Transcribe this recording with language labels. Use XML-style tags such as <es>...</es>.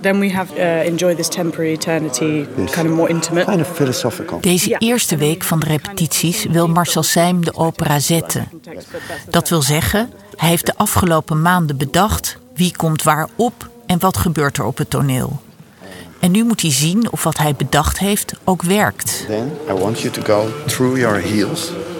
<en>Then we have enjoy this temporary eternity, yes. Kind of more intimate. Kind of philosophical.</en> <nl>Deze eerste week van de repetities wil Marcel Sein de opera zetten. Dat wil zeggen, hij heeft de afgelopen maanden bedacht wie komt waar op en wat gebeurt er op het toneel. En nu moet hij zien of wat hij bedacht heeft ook werkt.</nl> <en>Then I want you to go through your heels.</en>